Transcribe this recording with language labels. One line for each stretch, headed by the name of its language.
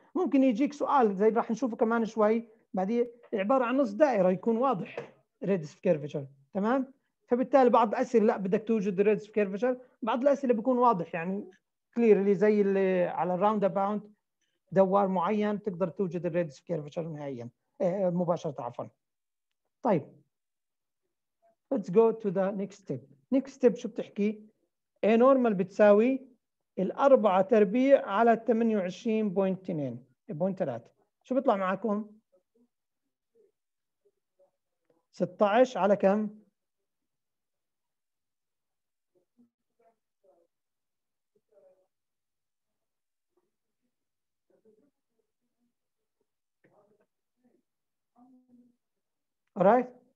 Arabic: ممكن يجيك سؤال زي راح نشوفه كمان شوي بعدين، عبارة عن نص دائرة يكون واضح radius of curvature، تمام؟ فبالتالي بعض الأسئلة لا بدك توجد radius of curvature، بعض الأسئلة بيكون واضح يعني clear، اللي زي اللي على round about دوار معين تقدر توجد radius of curvature نهائياً مباشرة عفواً.
English: طيب let's go to the next step. Next step
Arabic: شو بتحكي؟ A normal بتساوي الأربعة تربيع على 28.3. شو بيطلع معكم؟ 16 على كم؟ 2.